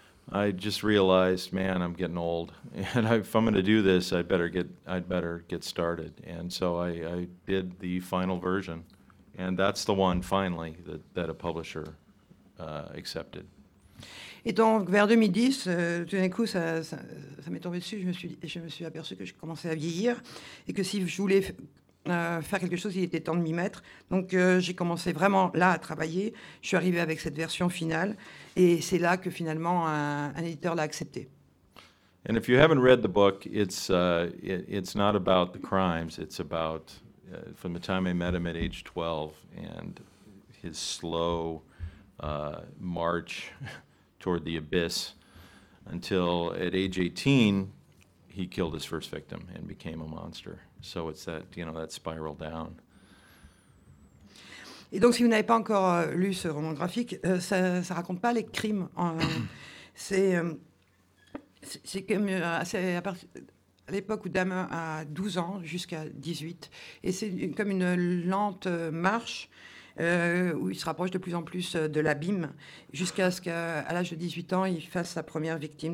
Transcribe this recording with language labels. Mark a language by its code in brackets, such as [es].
[en] I just realized, man, I'm getting old, and if I'm going to do this, I'd better get started. And so I did the final version, and that's the one finally that a publisher accepted. [fr] Et donc vers 2010, tout d'un coup, ça m'est tombé dessus. Je me suis aperçu que je commençais à vieillir et que si je voulais faire quelque chose, il était temps de m'y mettre. Donc j'ai commencé vraiment là à travailler. Je suis arrivée avec cette version finale et c'est là que finalement un éditeur l'a accepté. [en] And if you haven't read the book, it's not about the crimes. It's about from the time I met him at age 12 and his slow march toward the abyss until at age 18 he killed his first victim and became a monster. So it's that, you know, that spiral down. [fr] Et donc si vous n'avez pas encore lu ce roman graphique, ça raconte pas les crimes. C'est comme à l'époque où Dahmer a 12 ans jusqu'à 18, et c'est comme une lente marche où il se rapproche de plus en plus de l'abîme, jusqu'à ce qu'à l'âge de 18 ans, il fasse sa première victime.